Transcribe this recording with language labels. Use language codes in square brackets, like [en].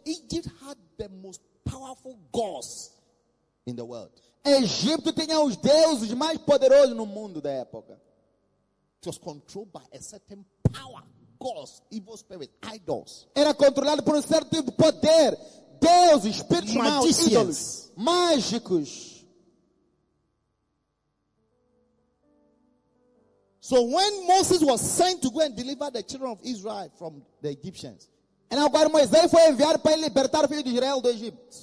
[en] Egypt had the most powerful gods in the world. [pt] Egito tinha os deuses mais poderosos no mundo da época. [en] It was controlled by a certain power, gods, evil spirits, idols. [pt] Era controlado por um certo tipo de poder, deuses, espíritos maus, ídolos, mágicos. [en] So when Moses was sent to go and deliver the children of Israel from the Egyptians, [pt] e agora Moisés foi enviado para libertar o filho de Israel do Egito.